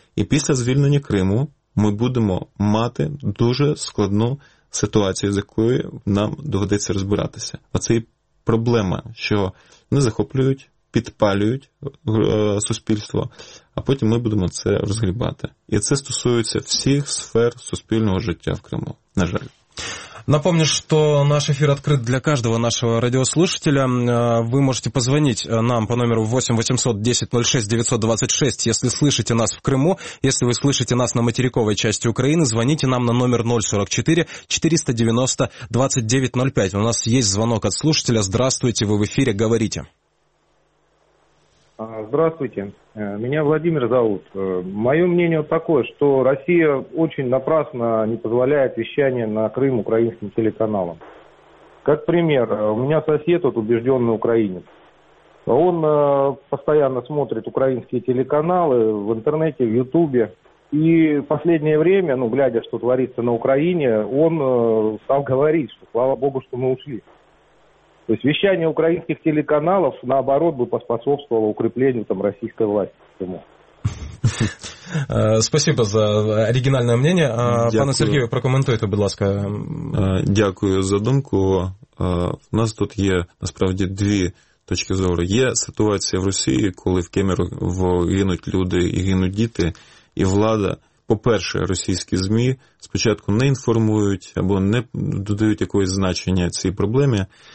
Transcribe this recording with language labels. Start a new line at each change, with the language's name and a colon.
Ukrainian: І після звільнення Криму ми будемо мати дуже складну ситуацію, з якою нам доведеться розбиратися. А це і проблема, що не захоплюють, підпалюють суспільство, а потім ми будемо це розгрібати. І це стосується всіх сфер суспільного життя в Криму, на жаль.
Russian: Напомню, что наш эфир открыт для каждого нашего радиослушателя. Вы можете позвонить нам по номеру 8 800 10 06 926, если слышите нас в Крыму. Если вы слышите нас на материковой части Украины, звоните нам на номер 044 490 2905. У нас есть звонок от слушателя. Здравствуйте, вы в эфире, говорите. Здравствуйте, меня Владимир зовут. Мое мнение такое, что Россия очень напрасно не позволяет вещание на Крым украинским телеканалам. Как пример, у меня сосед, вот, убежденный украинец, он постоянно смотрит украинские телеканалы в интернете, в Ютубе. И в последнее время, ну, глядя, что творится на Украине, он стал говорить, что слава богу, что мы ушли. То есть вещание украинских телеканалов, наоборот, бы поспособствовало укреплению там российской власти. Спасибо за оригинальное мнение.
Ukrainian: Пане Сергію, прокоментуйте, будь ласка. Дякую за думку. У нас тут є, насправді, дві точки зору. Є ситуація в Росії, коли в Кемерово гинуть люди і гинуть діти, і влада, по-перше, російські ЗМІ спочатку не інформують або не додають якогось значення цій проблемі,